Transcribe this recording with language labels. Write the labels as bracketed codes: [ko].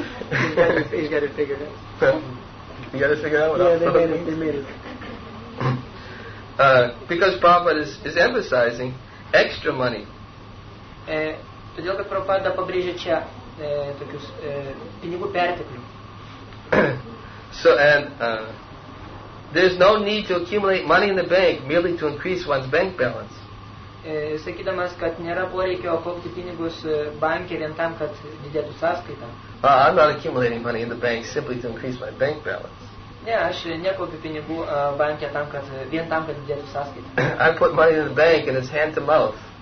[en] He's got it figured out. You got to figure out what else. Yeah, they made it. Because Prabhupada is emphasizing extra money. [lt] Todėl kad Prabhupada pabrėžia čia tokius pinigų perteklių. [en] So and there's no need to accumulate money in the bank merely to increase one's bank balance. [lt] Sakydamas, kad nėra poreikio kaupti pinigus banke vien tam, kad didėtų sąskaita. [en] I'm not accumulating money in the bank simply to increase my bank balance. [lt] Ne, aš nekaupiu pinigų banke tam, kad vien tam, kad didėtų sąskaita. [en] I put money in the bank and it's hand to mouth.